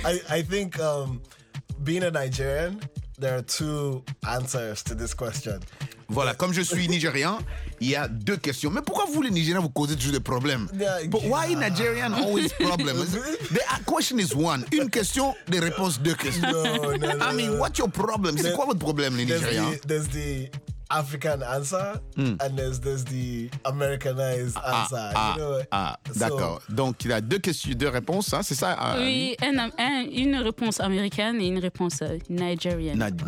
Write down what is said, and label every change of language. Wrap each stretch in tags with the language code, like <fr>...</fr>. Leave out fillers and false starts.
<en>I think being a Nigerian, there are two answers to this question.</en> <fr>Voilà, comme je suis Nigérian, il y a deux questions. Mais pourquoi vous, les Nigériens, vous causez toujours des problèmes?</fr> <en>Why Nigerian always problems? The question is one.</en> <fr>Une question, des réponses, deux questions.</fr> <en>No, what's your problem?</en> <fr>C'est quoi votre problème, les Nigériens?</fr> <en>There's the African answer and there's the Americanized answer.</en> <fr>D'accord. Donc, il y a deux questions, deux réponses, hein, c'est ça? Oui, une réponse américaine et une réponse nigérienne.</fr>